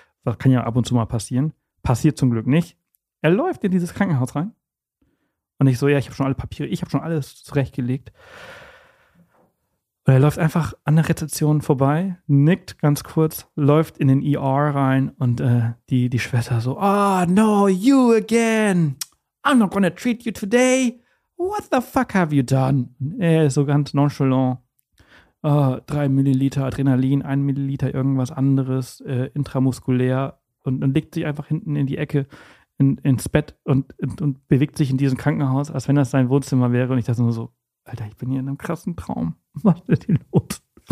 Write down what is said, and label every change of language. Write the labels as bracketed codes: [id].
[de] Das kann ja ab und zu mal passieren. Passiert zum Glück nicht. Er läuft in dieses Krankenhaus rein. Und ich so, ja, ich habe schon alle Papiere, ich habe schon alles zurechtgelegt. Und er läuft einfach an der Rezeption vorbei, nickt ganz kurz, läuft in den ER rein und die Schwester so, [en] oh, no, you again. I'm not gonna treat you today. What the fuck have you done? [de] Er ist so ganz nonchalant. 3 Milliliter Adrenalin, 1 Milliliter irgendwas anderes, intramuskulär. Und dann legt sich einfach hinten in die Ecke, ins Bett und bewegt sich in diesem Krankenhaus, als wenn das sein Wohnzimmer wäre. Und ich dachte nur so, Alter, ich bin hier in einem krassen Traum. Was ist denn los?